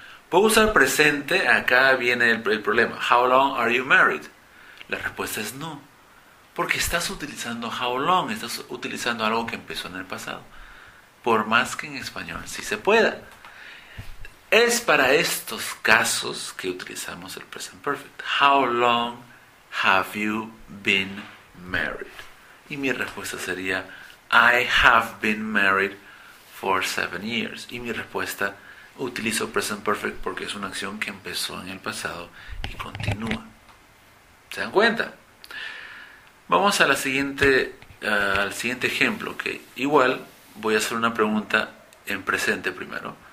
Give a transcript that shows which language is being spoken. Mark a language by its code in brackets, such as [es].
[es] ¿Puedo usar presente? Acá viene el problema. [en] How long are you married? [es] La respuesta es no. Porque estás utilizando how long, estás utilizando algo que empezó en el pasado. Por más que en español sí se pueda. Es para estos casos que utilizamos el present perfect. [en] How long have you been married? [es] Y mi respuesta sería, [en] I have been married for 7 years. [es] Y mi respuesta, utilizo present perfect porque es una acción que empezó en el pasado y continúa. ¿Se dan cuenta? Vamos a la siguiente, al siguiente ejemplo, que igual voy a hacer una pregunta en presente primero.